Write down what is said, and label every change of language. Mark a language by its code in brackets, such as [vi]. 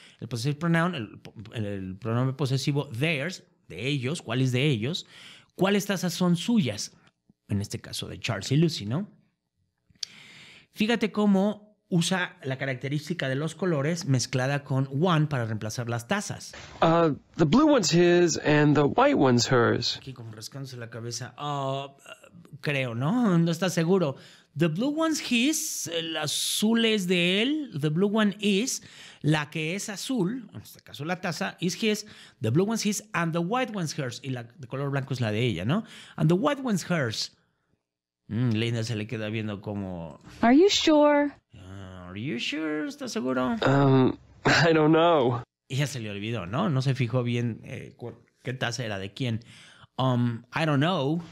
[es] El possessive pronoun, el pronombre posesivo theirs, de ellos, cuáles de ellos. ¿Cuáles tazas son suyas? En este caso, de Charles y Lucy, ¿no? Fíjate cómo usa la característica de los colores mezclada con one para reemplazar las tazas. [en] The blue one's his and the white one's hers. [es] Aquí como rascándose la cabeza. Creo, ¿no? No está seguro. [en] The blue one's his, [es] el azul es de él. [en] The blue one is, [es] la que es azul, en este caso la taza, [en] is his. The blue one's his and the white one's hers. [es] Y la de color blanco es la de ella, ¿no? [en] And the white one's hers. [es] Linda se le queda viendo como... [en] Are you sure? Are you sure? [es] ¿Estás seguro? [en] I don't know. [es] Ella se le olvidó, ¿no? No se fijó bien ¿Qué taza era de quién? [en] I don't know.